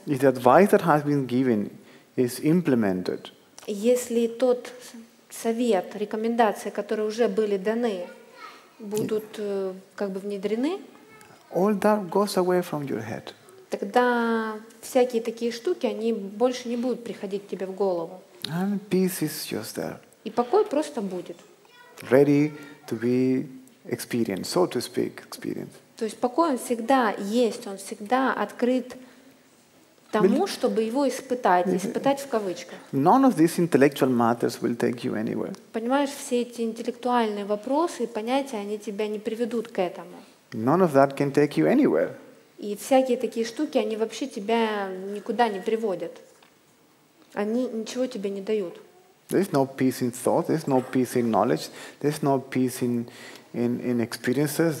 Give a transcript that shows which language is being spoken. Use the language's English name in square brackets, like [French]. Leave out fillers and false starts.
[English] If the advice that has been given is implemented. [Russian] Если тот совет, рекомендации, которые уже были даны, будут как бы внедрены. [English] All that goes away from your head. [Russian] Тогда всякие такие штуки, они больше не будут приходить тебе в голову. [English] And peace is just there. [Russian] И покой просто будет. [English] Ready to be experienced, so to speak, experienced. [Russian] То есть покой он всегда есть, он всегда открыт тому, чтобы его испытать, испытать в кавычках. [English] None of these intellectual matters will take you anywhere. [Russian] Понимаешь, все эти интеллектуальные вопросы и понятия, они тебя не приведут к этому. [English] None of that can take you anywhere. [Russian] И всякие такие штуки, они вообще тебя никуда не приводят. Они ничего тебе не дают. [English] There's no peace in thought. There's no peace in knowledge. There's no peace in experiences.